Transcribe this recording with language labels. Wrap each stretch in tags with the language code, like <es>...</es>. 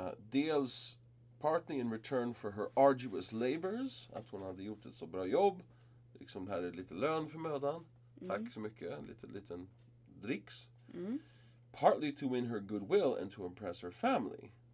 <en>Dels partly in return for her arduous labors.</en> <sv>Att hon hade gjort ett så bra jobb. Liksom det här är lite lön för mödan. Tack så mycket. En liten dricks. Mm.</sv> <en>Partly to win her goodwill and to impress her family.</en>